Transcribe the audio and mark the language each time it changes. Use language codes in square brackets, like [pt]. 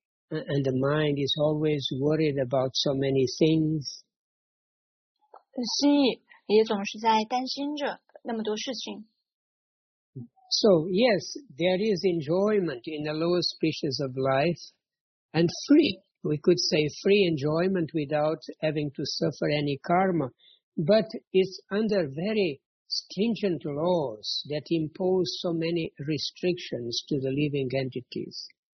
[en] And the mind is always worried about so many things. [zh] 心也总是在担心着那么多事情。 [en] So, yes, there is enjoyment in the lower species of life, and free, we could say free enjoyment without having to suffer any karma, but it's under very stringent laws that impose so many restrictions to the living entities.